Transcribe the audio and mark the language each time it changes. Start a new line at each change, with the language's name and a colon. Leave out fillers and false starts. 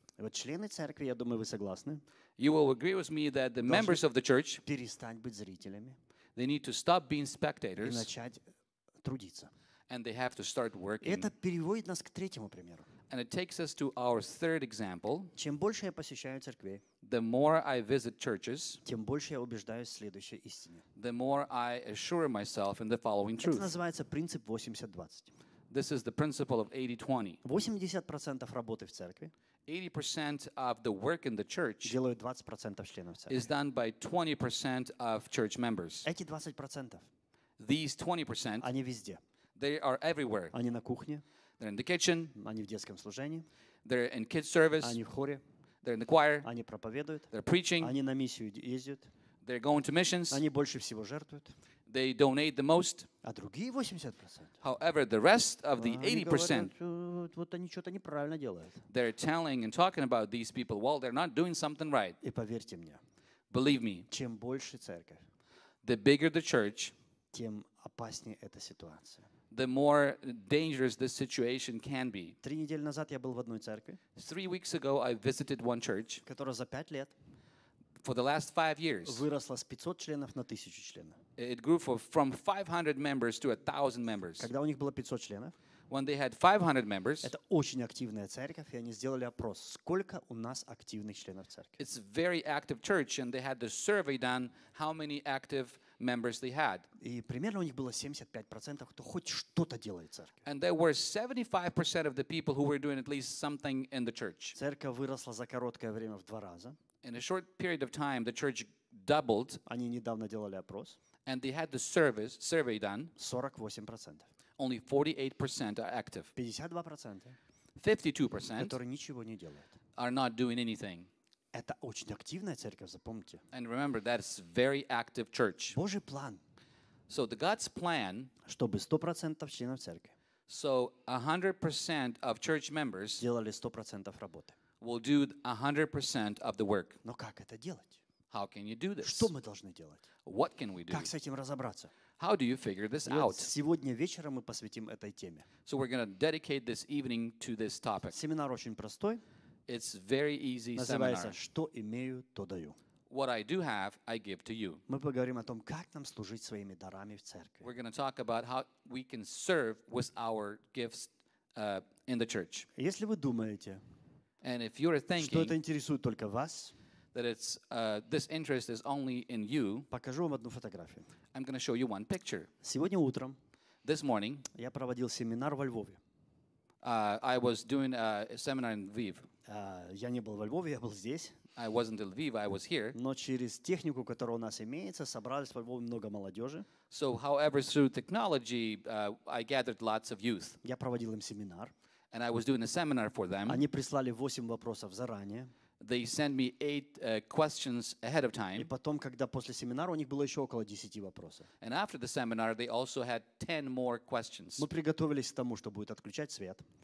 Russian: Вот члены церкви, я думаю, вы согласны.
English: You will agree with me that the members of the church,
Russian: перестать быть зрителями.
English: They need to stop being spectators.
Russian: И начать трудиться.
English: And they have to start working.
Russian: Это переводит нас к третьему примеру.
English: And it takes us to our third example.
Russian: Чем больше я посещаю церкви,
English: the more I visit churches,
Russian: тем больше я убеждаюсь в следующей истине.
English: The more I assure myself in the following truth.
Russian: Это называется принцип 80-20.
English: This is the principle of 80-20.
Russian: 80% работы в церкви
English: 80% of the work in the church
Russian: делают 20% членов церкви.
English: Is done by 20% of church members.
Russian: Эти 20%,
English: these 20%,
Russian: они везде.
English: They are everywhere.
Russian: Они на кухне.
English: They're in the kitchen.
Russian: Они в детском служении.
English: They're in kids service.
Russian: Они в хоре.
English: They're in the choir.
Russian: Они проповедуют.
English: They're preaching.
Russian: Они на миссию ездят.
English: They're going to missions.
Russian: Они больше всего жертвуют.
English: They donate the most.
Russian: А другие 80%.
English: However, the rest of the 80%.
Russian: Вот они что-то неправильно делают.
English: They're telling and talking about these people while they're not doing something right.
Russian: И поверьте мне.
English: Believe me.
Russian: Чем больше церковь,
English: the bigger the church,
Russian: тем опаснее эта ситуация.
English: The more dangerous this situation can be.
Russian: 3 недели назад я был в одной церкви.
English: 3 weeks ago, I visited one church.
Russian: Которая за 5 лет.
English: For the last 5 years.
Russian: Выросла с 500 членов на 1000 членов.
English: It grew from 500 members to 1,000 members.
Russian: Когда у них было 500 членов.
English: When they had 500 members.
Russian: Это очень активная церковь, и они сделали опрос: сколько у нас активных членов церкви?
English: It's a very active church, and they had the survey done: how many active members they had.
Russian: И примерно у них было 75%, кто хоть что-то делает в церкви.
English: And there were 75% of the people who were doing at least something in the church.
Russian: Церковь выросла за короткое время в 2 раза.
English: In a short period of time, the church doubled.
Russian: Они недавно делали опрос.
English: And they had the survey done.
Russian: 48%.
English: Only 48% are active.
Russian: 52%.
English: 52%.
Russian: Которые ничего не делают.
English: Are not doing anything.
Russian: Это очень активная церковь, запомните.
English: And remember, that's very active church.
Russian: Божий план.
English: So the God's plan.
Russian: Чтобы 100% членов церкви.
English: So 100% of church members.
Russian: Делали 100% работы.
English: Will do 100% of the work.
Russian: Но как это делать?
English: How can you do this?
Russian: Что мы должны делать?
English: What can we do?
Russian: Как с этим разобраться?
English: How do you figure this out?
Russian: Сегодня вечером мы посвятим этой теме.
English: So we're going to dedicate this evening to this topic.
Russian: Семинар очень простой.
English: It's very easy seminar.
Russian: Называется «Что имею, то даю».
English: What I do have, I give to you.
Russian: Мы поговорим о том, как нам служить своими дарами в церкви.
English: We're going to talk about how we can serve with our gifts in the church.
Russian: Если вы думаете,
English: and if you're thinking,
Russian: что это интересует только вас,
English: that it's this interest is only in you.
Russian: Покажу вам одну фотографию.
English: I'm going to show you one picture.
Russian: Сегодня утром.
English: This morning.
Russian: Я проводил семинар во Львове.
English: I was doing a seminar in Lviv.
Russian: Я не был во Львове, я был здесь.
English: I wasn't in Lviv, I was here.
Russian: Но через технику, которая у нас имеется, собрались во Львове много молодежи.
English: So, however, through technology, I gathered lots of youth.
Russian: Я проводил им семинар.
English: And I was doing a seminar for them.
Russian: Они прислали 8 вопросов заранее.
English: They sent me 8 questions ahead of time.
Russian: И потом, когда после семинара, у них было еще около 10 вопросов.
English: And after the seminar, they also had 10 more questions.
Russian: Мы приготовились к тому, что будет отключать свет.